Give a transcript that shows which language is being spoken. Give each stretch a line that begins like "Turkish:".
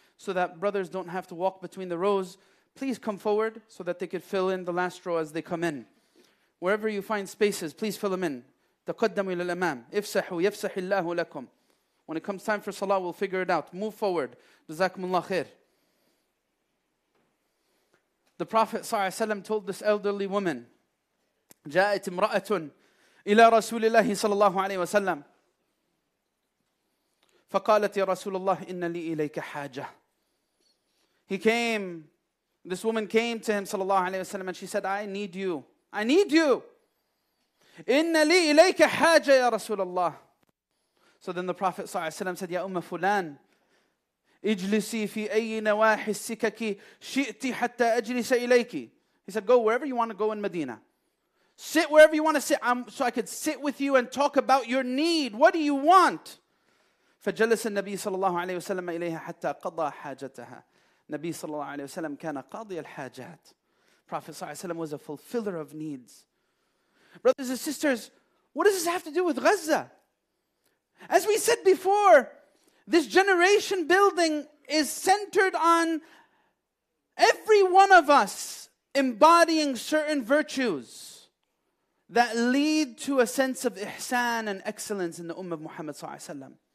English: So that brothers don't have to walk between the rows. Please come forward so that they could fill in the last row as they come in. Wherever you find spaces, please fill them in.
Arabic: تقدموا إلى الإمام. افسحوا يفسح الله لكم.
English: When it comes time for salah, we'll figure it out. Move forward.
Arabic: جزاكم الله خير.
English: The Prophet صلى الله عليه وسلم told this elderly woman,
Arabic: جاءت امرأة إلى رسول الله صلى الله عليه وسلم. فقالت يا رسول الله إن لي إليك حاجة.
English: He came. This woman came to him صلى الله عليه وسلم and she said, I need you. I need you.
Arabic: إن لي إليك حاجة يا رسول الله.
English: So then the Prophet
Arabic: صلى الله عليه وسلم said, يا أم فلان اجلسي في أي نواحي السكك شئت حتى أجلس إليك.
English: He said, go wherever you want to go in Medina. Sit wherever you want to sit so I could sit with you and talk about your need. What do you want?
Arabic: فجلس النبي صلى الله عليه وسلم إليها حتى قضى حاجتها. النبي صلى الله عليه وسلم كان قاضي الحاجات.
English: Prophet صلى الله عليه وسلم was a fulfiller of needs. Brothers and sisters, what does this have to do with Gaza? As we said before, this generation building is centered on every one of us embodying certain virtues that lead to a sense of ihsan and excellence in the ummah of Muhammad صلى الله عليه وسلم.